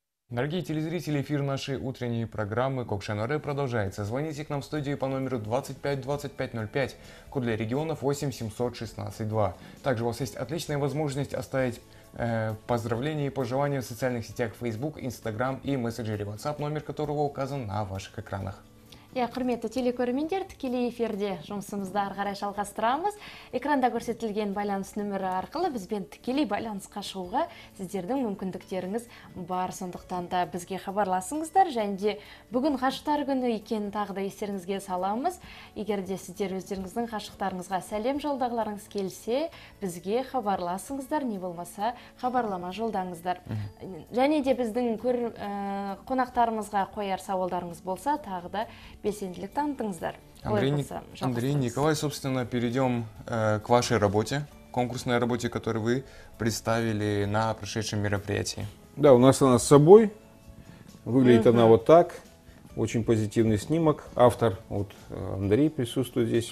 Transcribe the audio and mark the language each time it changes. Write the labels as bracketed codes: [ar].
[ru] Дорогие телезрители, эфир нашей утренней программы «Кокшен-Оре» продолжается. Звоните к нам в студию по номеру 252505, код для регионов 8716-2. Также у вас есть отличная возможность оставить поздравления и пожелания в социальных сетях Facebook, Instagram и мессенджере WhatsApp, номер которого указан на ваших экранах. [kk] Я құрметті телекөрермендер, тікелей эфирде жұмысымызды ары қарай жалғастырамыз. Экранда көрсетілген байланыс нөмірі арқылы бізбен тікелей байланысқа шығуға сіздердің мүмкіндіктеріңіз бар. Сондықтан да бізге хабарласыңыздар және де бүгін ғашықтар күні екенін тағы да естеріңізге саламыз. Егер де сіздер өздеріңіздің ғашықтарыңызға сәлем жолдағыларыңыз келсе, бізге хабарласыңыздар, не болмаса хабарлама жолдаңыздар. Және де біздің қонақтарымызға қояр сауалдарыңыз болса, тағы да белсенділік танытыңыздар. [ru] Андрей Николай, собственно, перейдем к вашей работе, конкурсной работе, которую вы представили на прошедшем мероприятии. Да, у нас она с собой. Выглядит она вот так. Очень позитивный снимок. Автор, вот Андрей присутствует здесь.